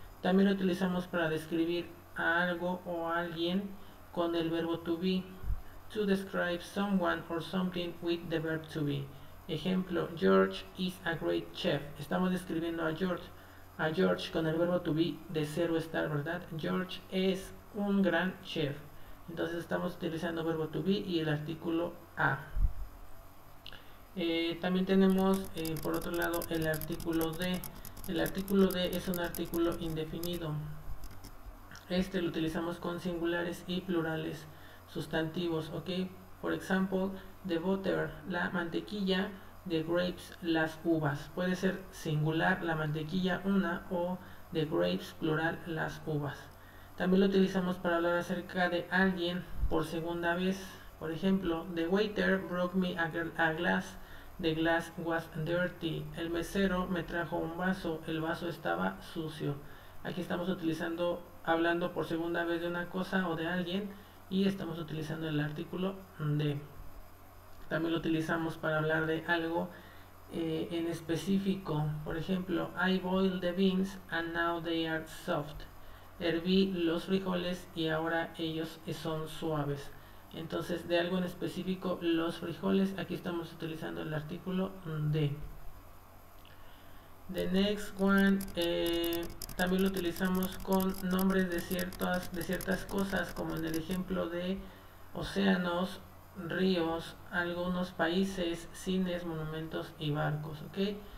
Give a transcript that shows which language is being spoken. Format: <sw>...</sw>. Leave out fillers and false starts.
<es>También lo utilizamos para describir a algo o a alguien con el verbo to be.</es> <en>To describe someone or something with the verb to be. Ejemplo, George is a great chef.</en> <es>Estamos describiendo a George con el verbo to be de ser o estar, ¿verdad? George es un gran chef. Entonces estamos utilizando el verbo to be y el artículo a. También tenemos, por otro lado, el artículo de. El artículo de es un artículo indefinido. Este lo utilizamos con singulares y plurales. Sustantivos, ok. Por ejemplo,</es> <en>the butter,</en> <es>la mantequilla,</es> <en>the grapes,</en> <es>las uvas. Puede ser singular, la mantequilla, una, o</es> <en>the grapes,</en> <es>plural, las uvas. También lo utilizamos para hablar acerca de alguien por segunda vez.</es> <en>Por ejemplo, the waiter broke me a glass, the glass was dirty.</en> <es>El mesero me trajo un vaso, el vaso estaba sucio. Aquí estamos utilizando, hablando por segunda vez de una cosa o de alguien. Y estamos utilizando el artículo de. También lo utilizamos para hablar de algo en específico.</es> <en>Por ejemplo, I boiled the beans and now they are soft.</en> <es>Herví los frijoles y ahora ellos son suaves. Entonces, de algo en específico, los frijoles, aquí estamos utilizando el artículo de.</es> <en>The next one,</en> <es>también lo utilizamos con nombres de ciertas cosas, como en el ejemplo de océanos, ríos, algunos países, cines, monumentos y barcos, ¿ok?</es>